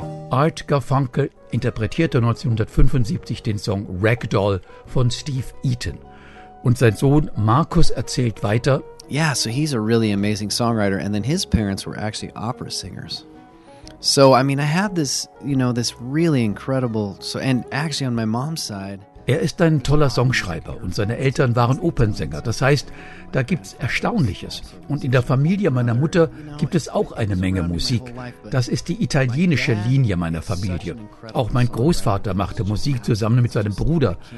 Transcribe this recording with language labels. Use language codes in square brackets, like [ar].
[de] Art Garfunkel interpretierte 1975 den Song Ragdoll von Steve Eaton. Und sein Sohn Marcus erzählt weiter. [en] Yeah, so he's a really amazing songwriter. And then his parents were actually opera singers. So, I mean, I have this, you know, this really incredible, so, and actually on my mom's side. [de] Er ist ein toller Songschreiber und seine Eltern waren Opernsänger. Das heißt, da gibt's Erstaunliches. Und in der Familie meiner Mutter gibt es auch eine Menge Musik. Das ist die italienische Linie meiner Familie. Auch mein Großvater machte Musik zusammen mit seinem Bruder.